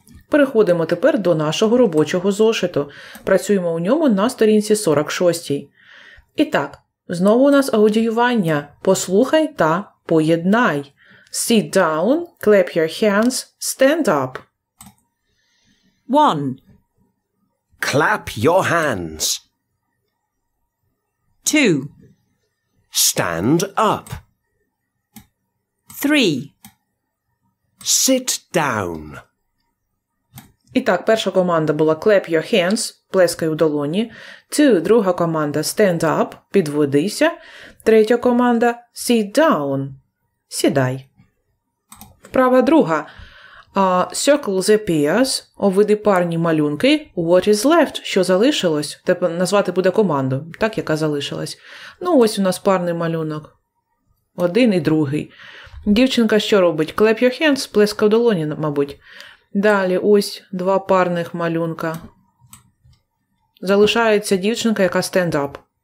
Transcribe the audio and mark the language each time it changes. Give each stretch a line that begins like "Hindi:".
Ukrainian: Переходимо тепер до нашого робочого зошиту. Працюємо у ньому на сторінці 46. І так, знову у нас аудіювання. Послухай та поєднай.
English: Sit down, clap your hands, stand up. One. Clap your hands. Two. Stand up. Three. Sit down.
Ukrainian: І так, перша команда була
English: clap your hands,
Ukrainian: плескай у долоні. Two, друга команда
English: stand up,
Ukrainian: підводися. Третя команда
English: sit down,
Ukrainian: сідай. Вправа друга.
English: Circle the pairs,
Ukrainian: обведи парні малюнки,
English: what is left,
Ukrainian: що залишилось. Тепер назвати буде команду, так, яка залишилась. Ну, ось у нас парний малюнок. Один і другий. Дівчинка що робить?
English: Clap your hands,
Ukrainian: плескай у долоні, мабуть. Далі, ось два парних малюнка. Залишається дівчинка, яка stand up.